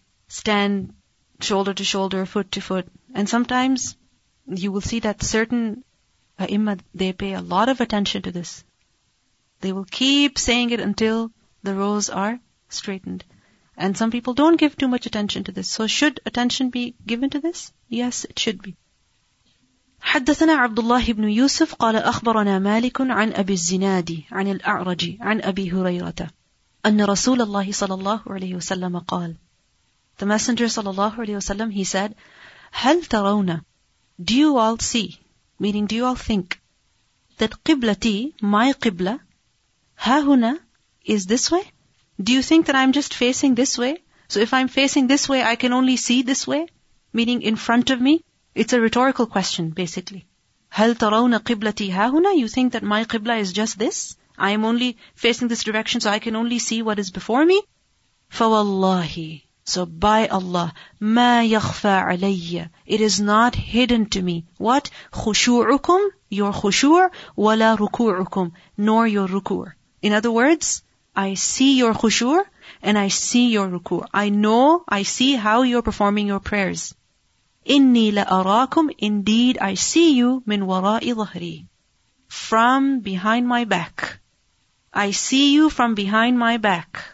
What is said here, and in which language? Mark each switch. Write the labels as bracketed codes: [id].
[en] Stand shoulder to shoulder, foot to foot. And sometimes you will see that certain a'imma, they pay a lot of attention to this. They will keep saying it until the rows are straightened. And some people don't give too much attention to this. So should attention be given to this? Yes, it should be. [ar] حدثنا عبد الله بن يوسف قال أخبرنا مالك عن أبي الزنادي عن الأعرج عن أبي هريرة أن رسول الله صلى الله عليه وسلم قال. [en] The Messenger [ar] صلى الله عليه وسلم, [en] he said, [ar] هل ترون, [en] do you all see, meaning do you all think, that قبلتي, my قبلة, [ar] هاهنا, [en] is this way? Do you think that I'm just facing this way? So if I'm facing this way, I can only see this way, meaning in front of me? It's a rhetorical question, basically. [ar] هل ترون قبلتي هاهنا? [en] You think that my قبلة is just this? I am only facing this direction, so I can only see what is before me? [ar] فَوَاللَّهِ, [en] so by Allah, [ar] ما يخفى علي, [en] it is not hidden to me. What? [ar] خشوعكم, [en] your خشوع, [ar] ولا ركوعكم, [en] nor your ركوع. In other words, I see your خشوع and I see your ركوع. I know, I see how you're performing your prayers. [ar] إني لأراكم, [en] indeed I see you, [ar] من وراء ظهري, [en] from behind my back. I see you from behind my back.